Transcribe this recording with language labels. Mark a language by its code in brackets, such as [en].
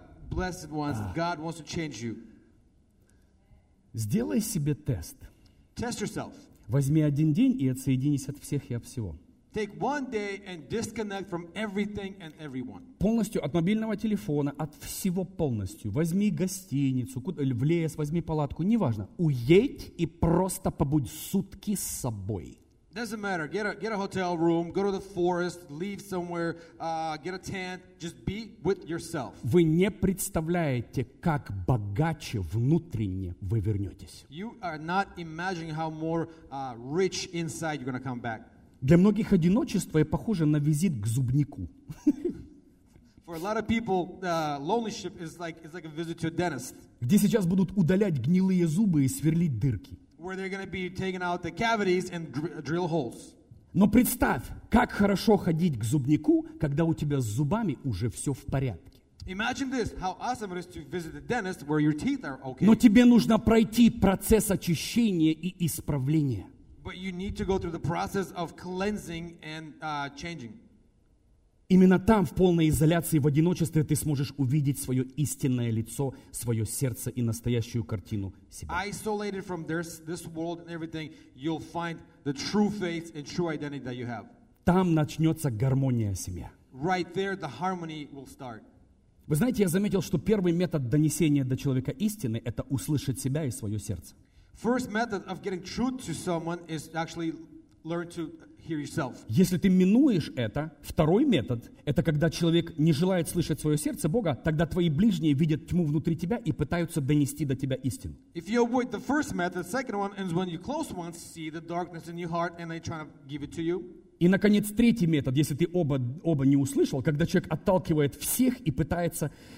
[en] Blessed ones, God wants to change you. [ru] Сделай себе тест. [en] Test yourself. [ru] Возьми один день и отсоединись от всех и от всего. [en] Take one day and disconnect from everything and everyone. [ru] Полностью от мобильного телефона, от всего полностью. Возьми гостиницу, в лес, возьми палатку, неважно. Уедь и просто побудь сутки с собой. [en] Doesn't matter. Get a hotel room, go to the forest, leave somewhere, get a tent, just be with yourself. [ru] Вы не представляете, как богаче внутренне вы вернетесь. [en] You are not imagining how more rich inside you're gonna come back. [ru] Для многих одиночество и похоже на визит к зубнику. [en] For a lot of people, loneliness is like a visit to a dentist. [ru] Где сейчас будут удалять гнилые зубы и сверлить дырки. [en] Where they're going to be taking out the cavities and drill holes. [ru] Но представь, как хорошо ходить к зубнику, когда у тебя с зубами уже все в порядке. [en] Imagine this, how awesome it is to visit the dentist where your teeth are okay. [ru] Но тебе нужно пройти процесс очищения и исправления. [en] But you need to go through the process of cleansing and changing. [ru] Именно там, в полной изоляции, в одиночестве, ты сможешь увидеть свое истинное лицо, свое сердце и настоящую картину себя. [en] Isolated from this world and everything, you'll find the true faith and true identity that you have. [ru] Там начнется гармония семьи. [en] Right there, the harmony will start. [ru] Вы знаете, я заметил, что первый метод донесения до человека истины – это услышать себя и свое сердце. [en] First method of getting truth to someone is actually learn to hear yourself. [ru] Если ты минуешь это, второй метод, это когда человек не желает слышать свое сердце Бога, тогда твои ближние видят тьму внутри тебя и пытаются донести до тебя истину. [en] If you avoid the first method, the second one is when your close ones see the darkness in your heart and they try to give it to you. [ru] И, наконец, третий метод, если ты оба не услышал, когда человек отталкивает всех и пытается...